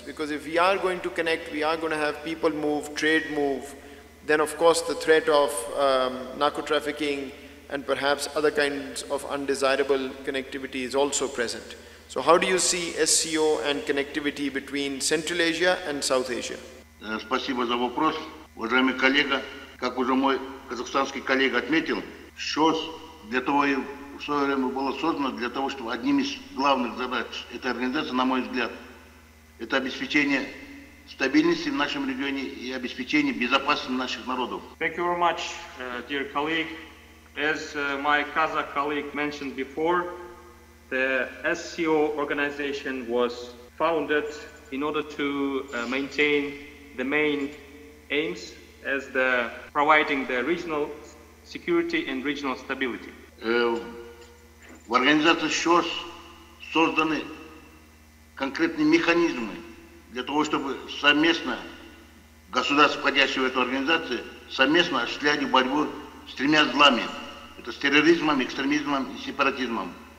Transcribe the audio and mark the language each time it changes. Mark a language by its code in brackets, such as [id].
[en] Because if we are going to connect, we are going to have people move, trade move, then of course the threat of narco-trafficking and perhaps other kinds of undesirable connectivity is also present. So how do you see SCO and connectivity between Central Asia and South Asia? [ru] Спасибо за вопрос. Уважаемый коллега, как уже мой казахстанский коллега отметил, ШОС для того и в свое время было создано для того, чтобы одним из главных задач этой организации, на мой взгляд, это обеспечение стабильности в нашем регионе и обеспечение безопасности наших народов. [en] Thank you very much, dear colleague. As my Kazakh colleague mentioned before, the SCO organization was founded in order to maintain the main aims as the providing the regional security and regional stability. [ru] В организации ШОС созданы конкретные механизмы для того, чтобы совместно государства, входящие в эту организацию, совместно осуществляли борьбу с тремя злами. Это с терроризмом, экстремизмом и сепаратизмом.